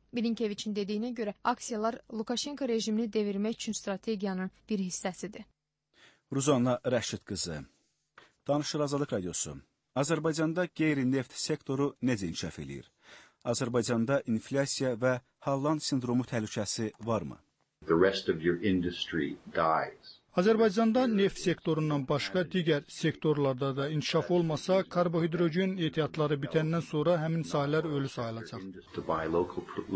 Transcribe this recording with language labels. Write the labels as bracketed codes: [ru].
[az] Milinkeviçin dediyinə görə, aksiyalar Lukaşenko rejimini devirmək üçün strategiyanın bir hissəsidir. Ruzanna Rəşid qızı. Danışır Azadlıq Radiosu. Azərbaycanda qeyri-neft sektoru necə inkişaf eləyir? Azərbaycanda inflyasiya və Halland sindromu təhlükəsi varmı? [en] The rest of your industry dies. [az] Azərbaycanda neft sektorundan başqa digər sektorlarda da inkişaf olmasa, karbohidrogen ehtiyatları bitəndən sonra həmin sahələr ölü sayılacaq.